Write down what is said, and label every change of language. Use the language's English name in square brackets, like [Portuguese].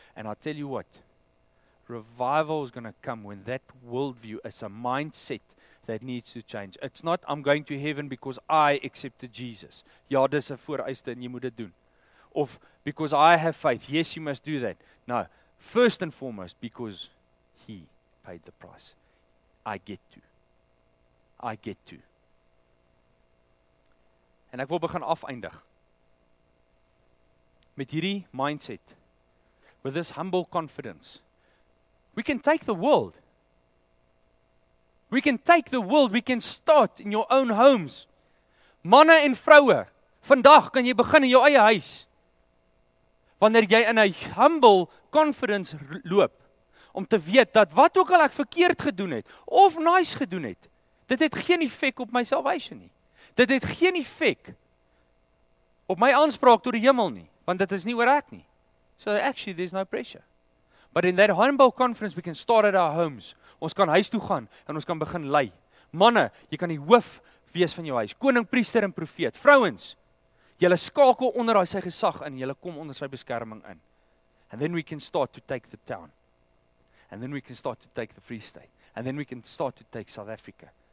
[English] And I'll tell you what, revival is going to come when that worldview is a mindset that needs to change. It's not, I'm going to heaven because I accepted Jesus. [Afrikaans] Ja, dis 'n vooruitste en jy moet dit doen. [English] Of because I have faith. Yes, you must do that. No, first and foremost, because he paid the price. I get to. [Afrikaans] En ek wil begin afeindig met hierdie mindset. [English] With this humble confidence. We can take the world. We can start in your own homes. [Afrikaans] Manne en vroue, vandag kan jy begin in jou eie huis. Wanneer jy in 'n humble confidence loop, om te weet dat wat ook al ek verkeerd gedoen het, of nice gedoen het, dit het geen effek op my salvation nie. Dit het geen effek op my aanspraak tot die hemel nie, want dit is nie oor ek nie. [English] So actually there's no pressure. But in that humble conference, we can start at our homes. [Afrikaans] Ons kan huis toe gaan en ons kan begin lei. Manne, jy kan die hoof wees van jou huis. Koning, priester en profeet. Vrouens, jy skakel onder sy gesag in. Jy kom onder sy beskerming in. [English] And then we can start to take the town. And then we can start to take the Free State. And then we can start to take South Africa.